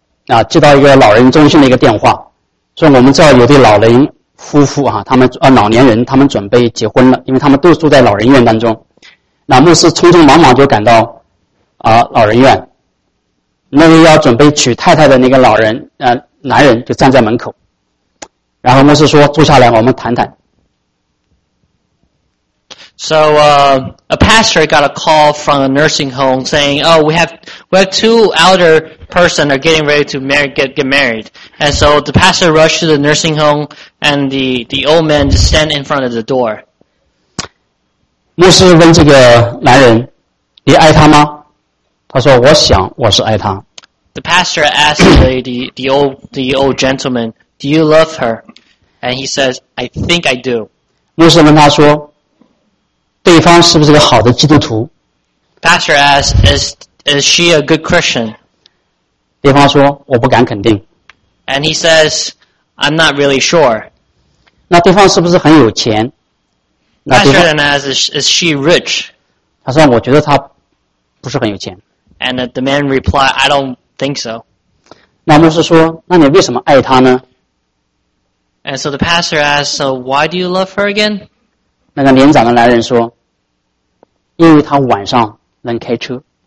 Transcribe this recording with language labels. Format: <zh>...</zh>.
<zh>啊，接到一个老人中心的一个电话，说我们知道有对老人夫妇啊，他们老年人他们准备结婚了，因为他们都住在老人院当中。那牧师匆匆忙忙就赶到老人院，那位要准备娶太太的那个老人男人就站在门口，然后牧师说坐下来我们谈谈。</zh> <en>So, a pastor got a call from a nursing home saying, oh, we have two elder person are getting ready to get married. And so the pastor rushed to the nursing home and the old man just stand in front of the door.</en> <zh>牧师问这个男人，你爱他吗？他说，我想我是爱他。</zh> <en>The pastor asked the old gentleman, do you love her? And he says, I think I do.</en> <zh>牧师问他说，对方是不是个好的基督徒？</zh> <en>Pastor asked, is she a good Christian?</en> <zh>对方说，我不敢肯定。</zh> <en>And he says, I'm not really sure.</en> <zh>那对方是不是很有钱？</zh> <en>Pastor then asked, is she rich?</en> <zh>他说，我觉得他不是很有钱。</zh> <en>And the man replied, I don't think so.</en> <zh>那牧师说，那你为什么爱他呢？</zh> <en>And so the pastor asked, so why do you love her again?</en> <zh>那个年长的男人说，因为他晚上能开车。</zh>